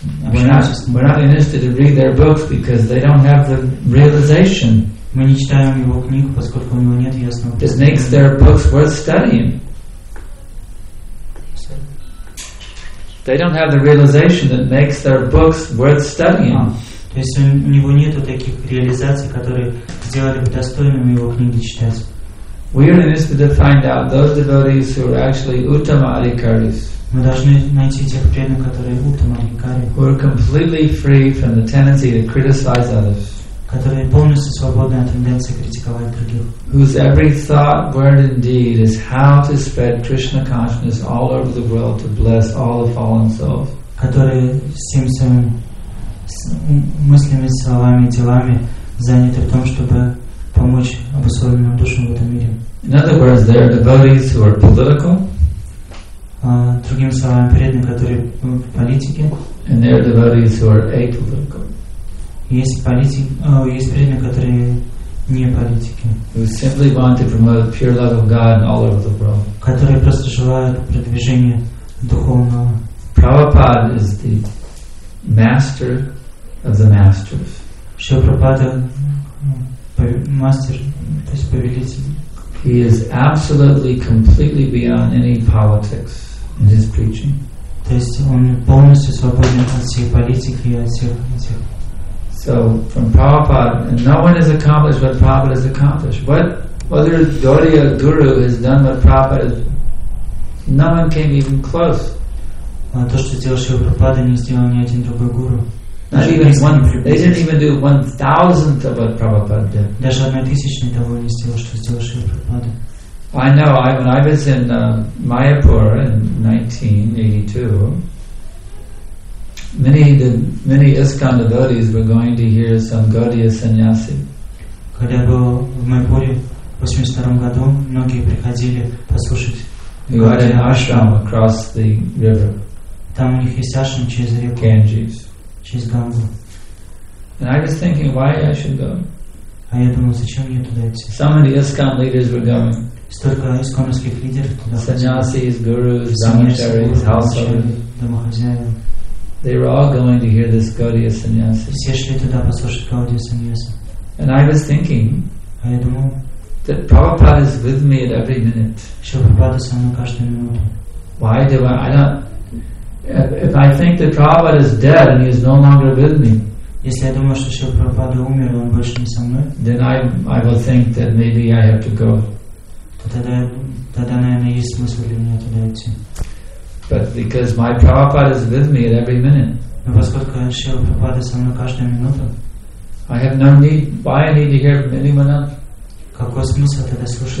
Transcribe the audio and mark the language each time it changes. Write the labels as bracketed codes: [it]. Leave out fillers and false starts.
[en] We're not interested to read their books because they don't have the realization. [ru] Мы не читаем его книг, поскольку у него нет ясного. [en] This makes their books worth studying. They don't have the realization that makes their books worth studying. [ru] То есть у него нет таких реализаций, которые сделали бы достойными его книги читать. [en] We are interested to find out those devotees who are actually uttama adhikaris. [ru] Мы должны найти тех преданных, которые уттама адхикари. [en] Who are completely free from the tendency to criticize others. [ru] Которые полностью свободны от тенденции критиковать других. [en] Whose every thought, word, and deed is how to spread Krishna consciousness all over the world to bless all the fallen souls. [ru] Которые всем своим мыслями, словами, делами заняты в том, чтобы помочь обусловленным душам в этом мире. [en] In other words, there are devotees who are political. [ru] Другими словами, преданные, которые в политике. [en] And there are devotees who are apolitical. [ru] Есть преданные, которые не политики. [en] Who simply want to promote pure love of God all over the world. [ru] Которые просто желают продвижения духовного. [en] Prabhupada is the master of the masters. [ru] Шри Прабхупада мастер, то есть повелитель. [en] He is absolutely completely beyond any politics in his preaching. [ru] То есть он полностью свободен от всей политики и от всех. [en] So from Prabhupada, no one has accomplished what Prabhupada has accomplished. What other Gaudiya guru has done what Prabhupada has done? No one came even close. [ru] То, что сделал Шри Прабхупада, не сделал ни один другой гуру. [en] They didn't even do 1/1000th of what Prabhupada did. [ru] Даже 1/1000 того не сделал, что сделал Шри Прабхупада. [en] I know. When I was in Mayapur in 1982, many ISKCON devotees were going to hear some Gaudiya sannyasi. [ru] Когда был в Майпуре в 82 году, многие приходили послушать. [en] You had an ashram across the river. [ru] Там у них есть ашрам через реку. [en] Ganges. She's gone. And I was thinking, why I should go? I had no suggestion to that. So many ISKCON leaders were going. [ru] Столько ISKCON-овских лидеров туда. [en] Sannyasis, gurus, brahmacharis, householders. They were all going to hear this Gaudiya sannyasi. [ru] Все шли туда послушать Gaudiya sannyasi. [en] And I was thinking. I had no. That Prabhupada is with me at every minute. [ru] Что Прабхупада со мной каждую минуту. [en] Why do I not? If I think that Prabhupada is dead and he is no longer with me, [ru] если я думаю, что Шрила Прабхупада умер, он больше не со мной, [en] then I will think that maybe I have to go. [ru] Тогда, наверное, есть смысл для меня туда идти. [en] But because my Prabhupada is with me at every minute, [ru] но поскольку Шрила Прабхупада со мной каждую минуту, [en] I have no need. Why I need to hear from anyone else? [ru] Какой смысл тогда слушать?